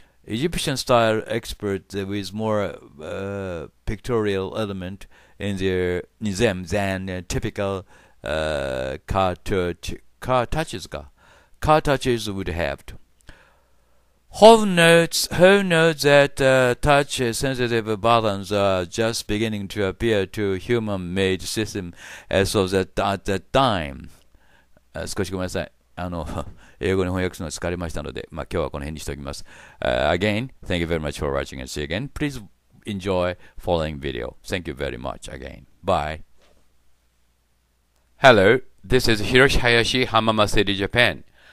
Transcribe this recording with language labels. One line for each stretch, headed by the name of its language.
English: Egyptian-style experts with more pictorial element in them than typical cartouches would have. Hall notes that touch-sensitive buttons are just beginning to appear to human-made system as of that time.
Japanese: 少しごめんなさい。英語に翻訳するのが疲れましたので、今日はこの辺にしておきます。
English: Again, thank you very much for watching and see you again. Please enjoy following video. Thank you very much again. Bye. Hello, this is Hiroshi Hayashi, Hamama City, Japan.